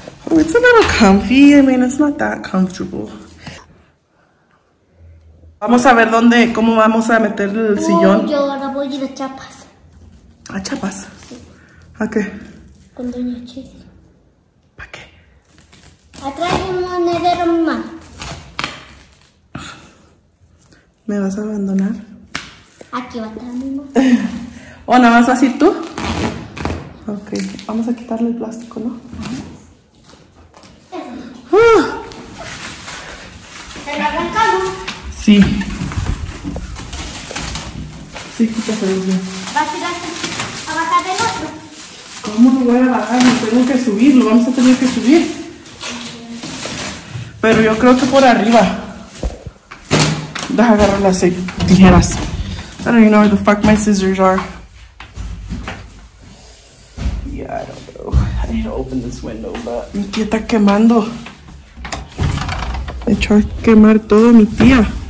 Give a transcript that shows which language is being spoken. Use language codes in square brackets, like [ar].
[en] Oh, it's a little comfy. I mean, it's not that comfortable. [es] Vamos a ver dónde, cómo vamos a meter el sillón. Yo ahora voy a ir a Chiapas. ¿A Chiapas? Sí. ¿A qué? Con Doña Chesi. ¿Para qué? A traer un monedero, mamá. ¿Me vas a abandonar? Aquí va a estar mi mamá. ¿O nada más así tú? Ok, vamos a quitarle el plástico, ¿no? ¿Te lo arrancamos? Sí. Sí, quítate bien. ¿Vas a ir así? ¿A bajar el otro? ¿Cómo lo voy a bajar? Lo tengo que subir, lo vamos a tener que subir. Pero yo creo que por arriba. Deja agarrar las tijeras. [en] I don't even know where the fuck my scissors are. Yeah, I don't know. I need to open this window, but... [es] Mi tía está quemando. Me echó a quemar todo mi tía.